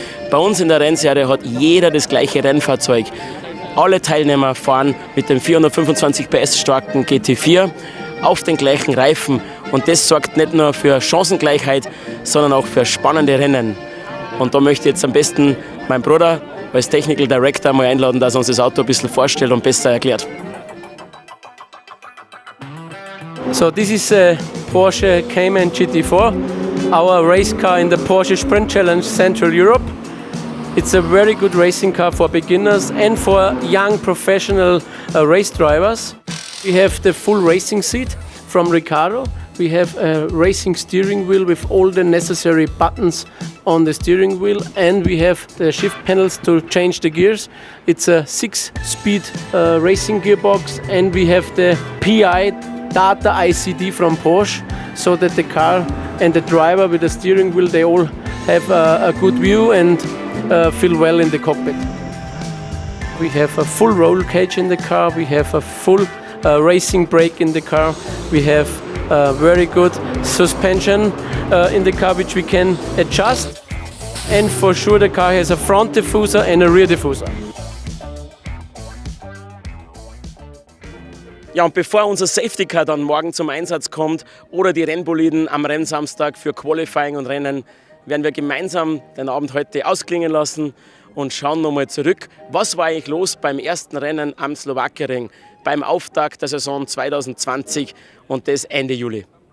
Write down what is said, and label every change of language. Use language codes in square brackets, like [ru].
[de] Bei uns in der Rennserie hat jeder das gleiche Rennfahrzeug. Alle Teilnehmer fahren mit dem 425 PS starken GT4 auf den gleichen Reifen. Und das sorgt nicht nur für Chancengleichheit, sondern auch für spannende Rennen. Und da möchte ich jetzt am besten meinen Bruder als Technical Director mal einladen, dass er uns das Auto ein bisschen vorstellt und besser erklärt. [en] So this is a Porsche Cayman GT4, our race car in the Porsche Sprint Challenge Central Europe. It's a very good racing car for beginners and for young professional race drivers. We have the full racing seat from Ricardo. We have a racing steering wheel with all the necessary buttons on the steering wheel, and we have the shift panels to change the gears. It's a 6-speed racing gearbox, and we have the PI data ICD from Porsche, so that the car and the driver with the steering wheel, they all have a good view and feel well in the cockpit. We have a full roll cage in the car, we have a full racing brake in the car, we have a very good suspension in the car which we can adjust, and for sure the car has a front diffuser and a rear diffuser. [de] Ja, und bevor unser Safety Car dann morgen zum Einsatz kommt oder die Rennboliden am Rennsamstag für Qualifying und Rennen, werden wir gemeinsam den Abend heute ausklingen lassen und schauen nochmal zurück, was war eigentlich los beim ersten Rennen am Slowakiering, beim Auftakt der Saison 2020 und das Ende Juli.